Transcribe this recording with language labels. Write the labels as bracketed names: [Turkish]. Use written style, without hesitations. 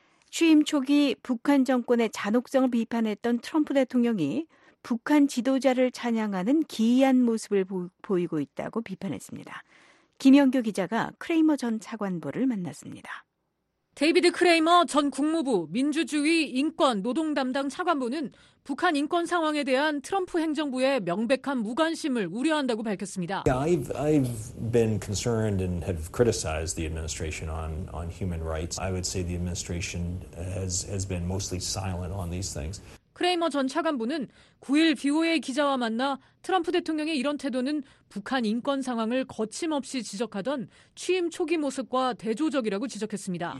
[Korean] 취임 초기 북한 정권의 잔혹성을 비판했던 트럼프 대통령이 북한 지도자를 찬양하는 기이한 모습을 보이고 있다고 비판했습니다. 김영규 기자가 크레이머 전 차관보를 만났습니다. 데이비드 크레이머 전 국무부 민주주의 인권 노동 담당 차관보는 북한 인권 상황에 대한 트럼프 행정부의 명백한 무관심을 우려한다고 밝혔습니다. [English] I've been concerned and have criticized the administration on human rights. I would say the administration has been mostly silent on these things. [Korean] 크레이머 전 차관보는 9일 VOA 기자와 만나 트럼프 대통령의 이런 태도는 북한 인권 상황을 거침없이 지적하던 취임 초기 모습과 대조적이라고 지적했습니다.